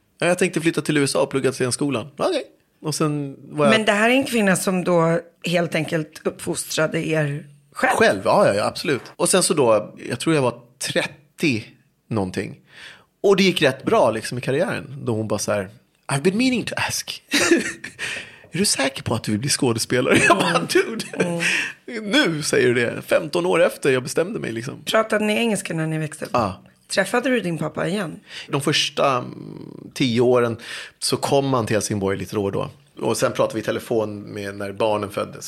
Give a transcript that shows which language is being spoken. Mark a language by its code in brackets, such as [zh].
[sv] Jag tänkte flytta till USA och plugga till en skolan. Okej. Okay. Men det här är en kvinna som då helt enkelt uppfostrade er själv? Själv, ja, absolut. Och sen så då, jag tror jag var 30-någonting. Och det gick rätt bra liksom i karriären. Då hon bara så här, [en] I've been meaning to ask. [sv] Är du säker på att du vill bli skådespelare? Jag bara, dude. Mm. Nu säger du det. 15 år efter jag bestämde mig liksom. Pratade ni engelska när ni växte? Ja. Ah. Träffade du din pappa igen? De första 10 åren så kom han till Helsingborg lite då och då. Och sen pratade vi i telefon med när barnen föddes.